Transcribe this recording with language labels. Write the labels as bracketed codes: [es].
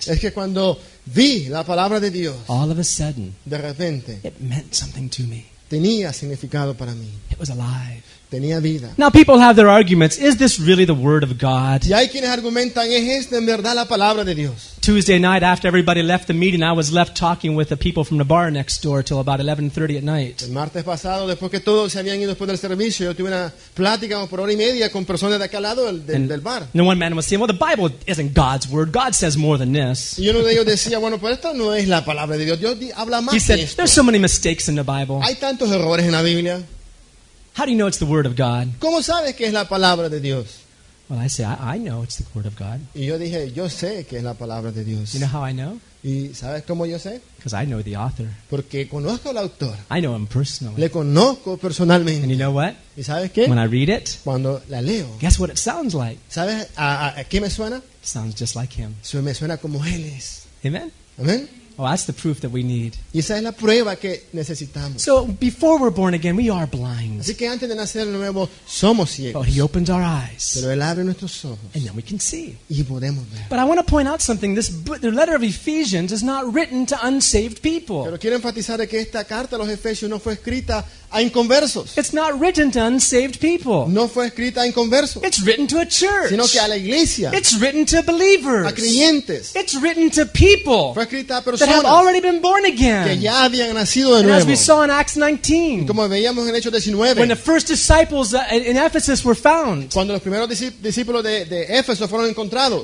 [es] es que cuando vi la palabra de Dios, [en] all of a sudden [es] de repente, [en] it meant something to me. [es] Tenía significado para mí. [en] It was alive. [es] Tenía vida. [en] Now people have their arguments. Is this really the Word of God? [es] Y hay quienes argumentan, ¿es esta en verdad la palabra de Dios? [en] Tuesday night after everybody left the meeting, I was left talking with the people from the bar next door till about 11:30 at night. [es] El martes pasado, después que todos se habían ido después del servicio, yo tuve una plática por hora y media con personas de acá al lado del bar. [en] And one man was saying, well, the Bible isn't God's word. God says more than this. [es] Y uno de ellos decía, bueno, pues esto no es la palabra de Dios. Dios habla más [en] he [es] que [en] said, [es] esto. [en] There's so many mistakes in the Bible. [es] Hay tantos errores en la Biblia. [en] How do you know it's the Word of God? [es] ¿Cómo sabes que es la palabra de Dios? [en] Well, I say, I know it's the Word of God. [es] Y yo dije, yo sé que es la palabra de Dios. [en] You know how I know? [es] ¿Y sabes cómo yo sé? [en] Because I know the author. [es] Porque conozco al autor. [en] I know him personally. [es] Le conozco personalmente. [en] And you know what? [es] ¿Y sabes qué? [en] When I read it, [es] cuando la leo, [en] guess what it sounds like? [es] ¿Sabes a qué me suena? [en] It sounds just like him. [es] Me suena como él es. [en] Amen? [es] Amen? [en] Oh, that's the proof that we need. [es] Y esa es la prueba que necesitamos. [en] So before we're born again, we are blind. [es] Así que antes de nacer de nuevo, somos ciegos. [en] But he opens our eyes. [es] Pero él abre nuestros ojos. [en] And then we can see. [es] Y podemos ver. [en] But I want to point out something. This the letter of Ephesians is not written to unsaved people. [es] Pero quiero enfatizar que esta carta a los Efesios no fue escrita a inconversos. [en] It's not written to unsaved people. [es] No fue escrita a inconversos. [en] It's written to a church. [es] Sino que a la iglesia. [en] It's written to believers. [es] A creyentes. [en] It's written to people. [es] Fue escrita a personas [en] that have already been born again. [es] Que ya habían nacido de [en] and [es] nuevo. [en] As we saw in Acts 19, [es] y como veíamos en Hechos 19, [en] when the first disciples in Ephesus were found, [es] cuando los primeros discípulos de Éfeso fueron encontrados,